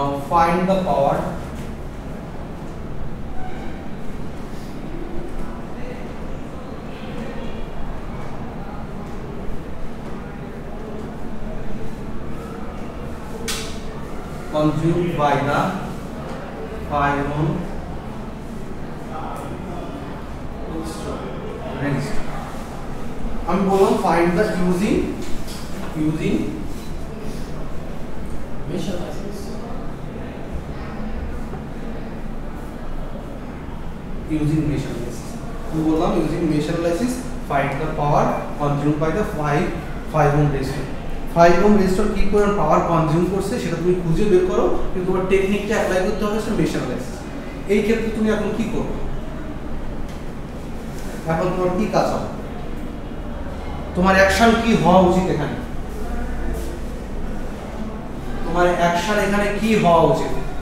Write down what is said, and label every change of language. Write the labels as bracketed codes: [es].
[en] Find the power consumed by the 5 ohm resistor. I'm going to find that using mesh analysis. Using mesh analysis. I'm going to using mesh analysis find the power consumed by the 5 ohm resistor. [bn] 5 ohm resistor কি করে পাওয়ার consume করছে সেটা তুমি খুঁজে বের করো কিন্তু তোমার টেকনিকটা অ্যাপ্লাই করতে হবে সেটা মেশ অ্যানালাইসিস এই ক্ষেত্রে তুমি এখন কি করবে এখন তোমার কি কাজ হবে তোমার অ্যাকশন কি হওয়া উচিত এখানে তোমার অ্যাকশন এখানে কি হওয়া উচিত